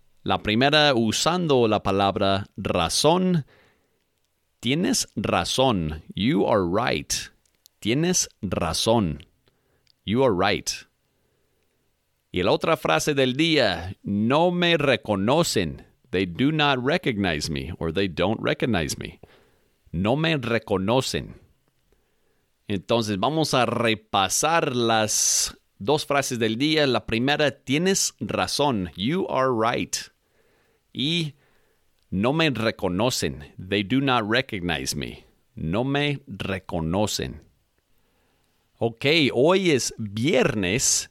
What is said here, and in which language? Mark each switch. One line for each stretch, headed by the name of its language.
Spanish: La primera, usando la palabra razón. Tienes razón.
English: You are right. Tienes razón. You are right.
Spanish: Y la otra frase del día, no me reconocen.
English: They do not recognize me, or they don't recognize me.
Spanish: No me reconocen. Entonces, vamos a repasar las dos frases del día. La primera, tienes razón.
English: You are right.
Spanish: Y no me reconocen.
English: They do not recognize me.
Spanish: No me reconocen. Ok, hoy es viernes.